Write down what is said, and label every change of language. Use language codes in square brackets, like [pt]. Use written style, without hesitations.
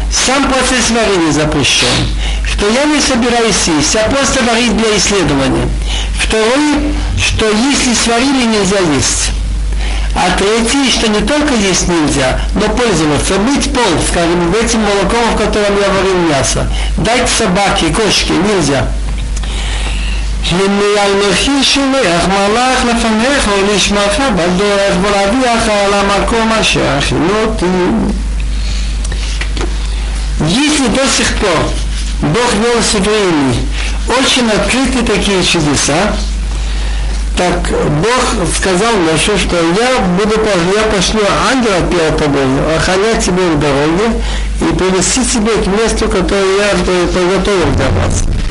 [ru] Сам процесс варения запрещен. Что я не собираюсь есть, а просто варить для исследования. Второй, что если сварили, нельзя есть. А третий, что не только есть нельзя, но пользоваться, быть пол, скажем, этим молоком, в котором я варил мясо. Дать собаке, кошке нельзя. [he] הנה אנוכי שולח מלאך לפניך ולשמחה בדרך ולהביאך על המקום אשר הכינותי. [ru] Если до сих пор Бог вел с евреями очень открытые такие чудеса, так Бог сказал Моше, что я пошлю ангела перед тобой охранять тебя в дороге и привести тебя к месту, которое я приготовил для вас.